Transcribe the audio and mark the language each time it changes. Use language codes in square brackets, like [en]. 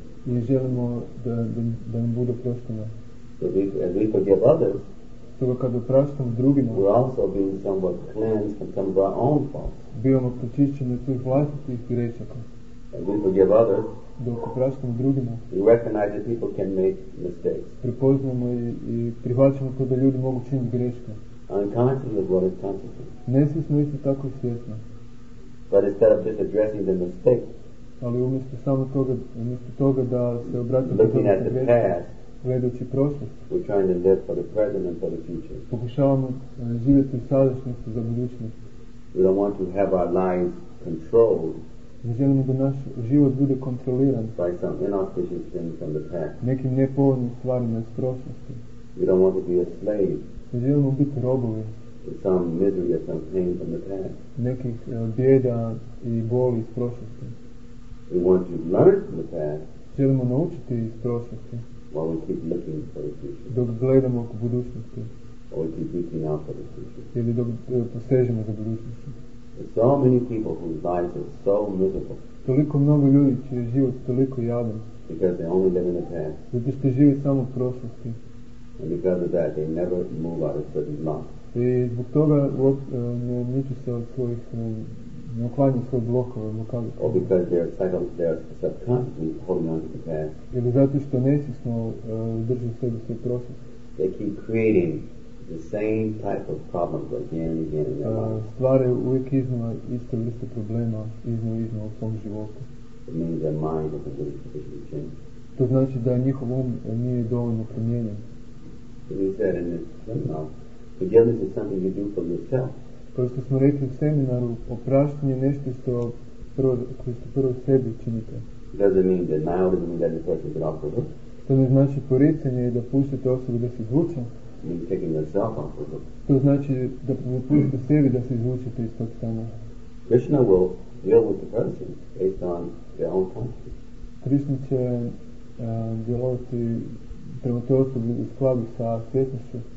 [hr] I želimo da nam bude oprošteno. [en] So as we forgive others, [hr] stoga kad opraštamo drugima, [en] we're also being somewhat cleansed from some of our own faults. [hr] Bivamo pročišćeni od svojih vlastitih grešaka. [en] As we forgive others, [hr] dok opraštamo drugima, [en] we recognize that people can make mistakes. [hr] Prepoznamo i prihvaćamo to da ljudi mogu činiti greške. [en] Unconsciously as well as consciously. [hr] Nesvjesno isto tako i svjesno. [en] But instead of just addressing the mistake, [hr] ali umjesto samo toga, umjesto toga da se obratimo [en] looking at the greške, past, [hr] gledajući prošlost, [en] we're trying to live for the present and for the future. [hr] Pokušavamo živjeti u sadašnjosti za budućnost. [en] We don't want to have our lives controlled [hr] Mi želimo da naš život bude kontroliran [en] by some inauspicious things from the past. [hr] Nekim nepovoljnim stvarima iz prošlosti. [en] We don't want to be a slave. [hr] Mi želimo biti robovi. [en] To some misery or some pain from the past. [hr] Nekih bijeda i boli iz prošlosti. [en] We want to learn from the past. [hr] Želimo naučiti iz prošlosti. [en] While we keep looking for the future. [hr] Dok gledamo oko budućnosti. [en] Or we keep looking out for the future. [hr] Ili dok postežemo za budućnosti. [en] So many people whose lives are so miserable. [hr] Toliko mnogo ljudi čiji život toliko jadan. [en] Because they only live in the past. [hr] Zato što žive samo u prošlosti. [en] And because of that, they never move out of certain blocks. [hr] I zbog toga ne miču se od svojih ne uklanju svoje blokove, blokade. [en] Or because they are subconsciously holding on to the past. [hr] Ili zato što nesvjesno drže sebe u prošlosti. [en] They keep creating the same type of problems again and again in their lives. [hr] Stvari uvijek iznova iste vrste problema iznova iznova u svom životu. [en] It means their mind isn't really sufficiently changed. [hr] To znači da njihov um nije dovoljno promijenjen. [en] So we said in this seminar, forgiveness is something you do for yourself. [hr] Kao što smo rekli u seminaru, opraštanje je nešto što prvo sebi činite. [en] Doesn't mean denialism and letting the person get off the hook. [hr] To ne znači poricanje da pustite osobu da se izvuče. [en] Means taking yourself off the hook. [hr] To znači da pustite sebi da se izvučete iz tog stana. [en] Krishna will deal with the person based on their own consciousness. [hr] Krishna će djelovati prema toj osobi u skladu sa svjesnošću.